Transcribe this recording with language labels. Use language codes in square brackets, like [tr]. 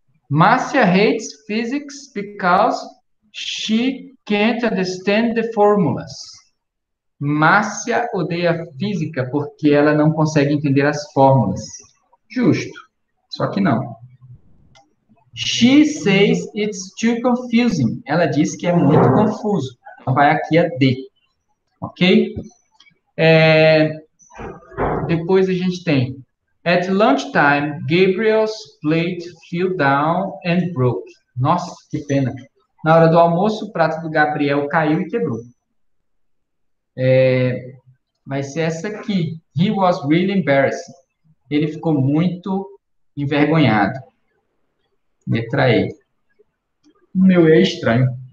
[en] Marcia hates physics because she can't understand the formulas. [pt] Marcia odeia física porque ela não consegue entender as fórmulas. Justo. Só que não. [en] She says it's too confusing. [pt] Ela diz que é muito confuso. Então vai aqui a D. Ok? Depois a gente tem. [en] At lunchtime, Gabriel's plate fell down and broke. [pt] Nossa, que pena. Na hora do almoço, o prato do Gabriel caiu e quebrou. Vai ser essa aqui. [en] He was really embarrassed. [pt] Ele ficou muito envergonhado. Letra E. Meu, é estranho.